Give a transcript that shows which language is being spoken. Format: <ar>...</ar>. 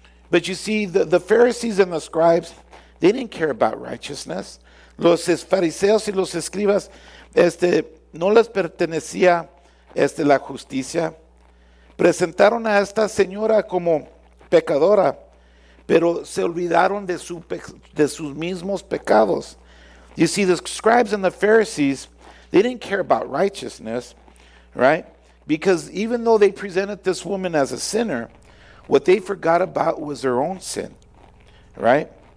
<en>But you see, the Pharisees and the scribes, they didn't care about righteousness.</en> <es>Los fariseos y los escribas, no les pertenecía la justicia. Presentaron a esta señora como pecadora, pero se olvidaron de sus mismos pecados.</es> <en>You see, the scribes and the Pharisees, they didn't care about righteousness, right? Because even though they presented this woman as a sinner, what they forgot about was their own sin, right?</en>